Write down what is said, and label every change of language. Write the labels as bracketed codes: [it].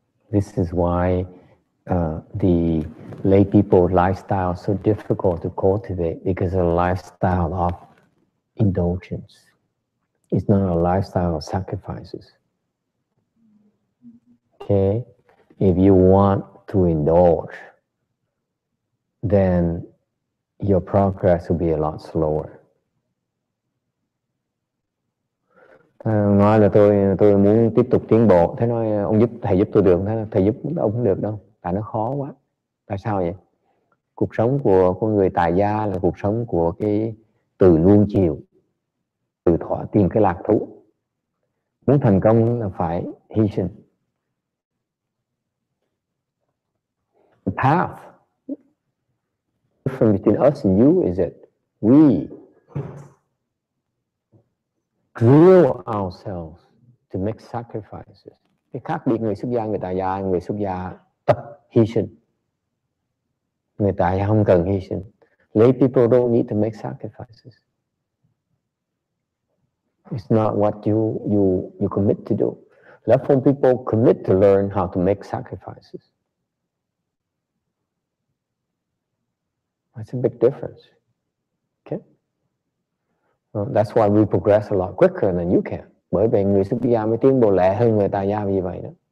[en] This is why the lay people lifestyle is so difficult to cultivate, because of a lifestyle of indulgence. It's not a lifestyle of sacrifices. Okay, if you want to indulge, then your progress will be a lot slower. [vi] Nói là tôi muốn tiếp tục tiến bộ, thế nói ông giúp thầy giúp tôi được, thế thầy giúp ông không được đâu, tại nó khó quá. Tại sao vậy? Cuộc sống của con người tại gia là cuộc sống của cái từ nuông chiều, từ thỏa tìm cái lạc thú. Muốn thành công là phải hy sinh. [en] The path from between us and you is that we drill ourselves to make sacrifices. [vi] Cái khác biệt người xuất gia, người tại gia, người xuất gia tập hy sinh. Người tại gia không cần hy sinh. [en] Lay people don't need to make sacrifices. It's not what you commit to do. Lay form people commit to learn how to make sacrifices. That's a big difference. Okay? Well, that's why we progress a lot quicker than you can. [vi] Bởi vì người xuất gia mới tiến bộ lẹ hơn người tại gia vì vậy đó.